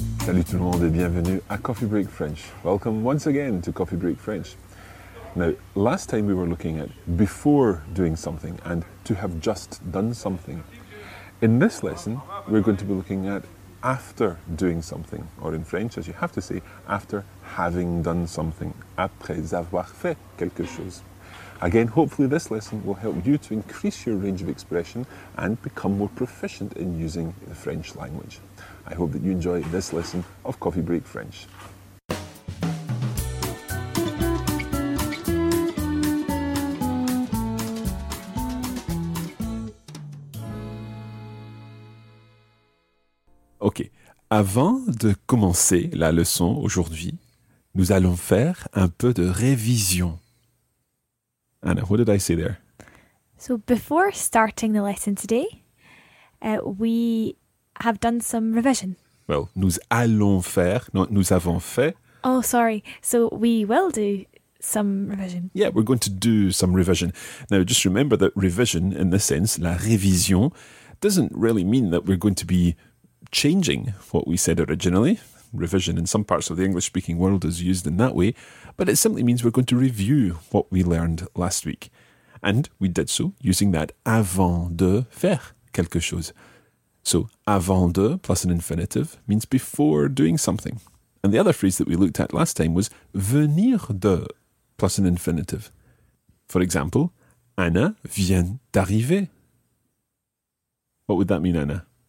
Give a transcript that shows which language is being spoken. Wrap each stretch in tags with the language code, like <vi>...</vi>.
<fr>Salut tout le monde et bienvenue à Coffee Break French.</fr> <en>Welcome once again to Coffee Break French. Now, last time we were looking at before doing something and to have just done something. In this lesson, we're going to be looking at after doing something, or in French, as you have to say, after having done something,</en> <fr>après avoir fait quelque chose.</fr> <en>Again, hopefully this lesson will help you to increase your range of expression and become more proficient in using the French language. I hope that you enjoy this lesson of Coffee Break French.</en> <fr>Ok, avant de commencer la leçon aujourd'hui, nous allons faire un peu de révision.</fr> <en>Anna, what did I say there? So before starting the lesson today, we have done some revision.</en> <fr>Well, nous allons faire, non, nous avons fait.</fr> <en>Oh, sorry. So we will do some revision. Yeah, we're going to do some revision. Now, just remember that revision, in the sense, la révision, doesn't really mean that we're going to be changing what we said originally. Revision in some parts of the English-speaking world is used in that way, but it simply means we're going to review what we learned last week. And we did so using that</en> <fr>avant de faire quelque chose.</fr> <en>So avant de plus an infinitive means before doing something. And the other phrase that we looked at last time was venir de plus an infinitive. For example,</en> <fr>Anna vient d'arriver.</fr> <en>What would that mean, Anna?</en>